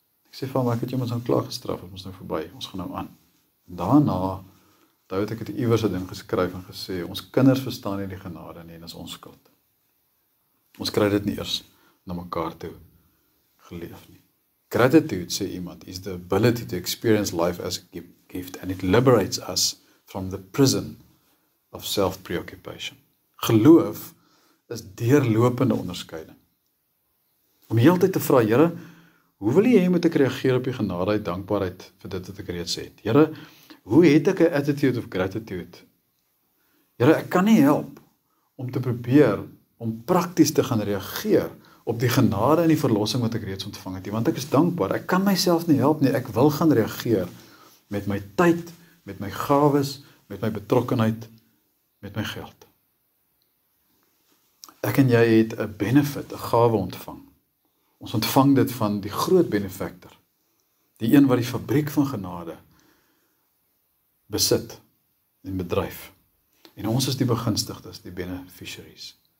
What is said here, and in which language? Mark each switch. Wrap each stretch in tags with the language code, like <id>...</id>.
<af>Ek sê van, maar ek het jy ons nou klaar gestraf, het ons nou voorbij, ons gaan nou aan. Daarna, daar het ek het iewers een ding geskryf en gesê, ons kinders verstaan nie die genade nie, en is ons skuld. Ons kry dit nie eers na mekaar toe geleef nie.</af> <en>Gratitude,</en> <af>sê iemand,</af> <en>is the ability to experience life as a gift, and it liberates us from the prison of self-preoccupation.</en> <af>Geloof is deurlopende onderskeiding. Om die hele tyd te vra, Here, hoe wil jy moet ek reageer op die genade en dankbaarheid vir dit wat ek reeds het? Here, hoe het ek 'n</af> <en>attitude of gratitude?</en> <af>Here, ek kan nie help om te probeer om prakties te gaan reageer op die genade en die verlossing wat ek reeds ontvang het, want ek is dankbaar. Ek kan myself nie help nie. Ek wil gaan reageer met my tyd, met my gawes, met my betrokkenheid, met my geld. Ek en jy het 'n benefit, 'n gawe ontvang. Ons ontvang dit van die groot benefactor, die een wat die fabriek van genade besit en bedryf. En ons is die begunstigdes, die beneficiaries.</af>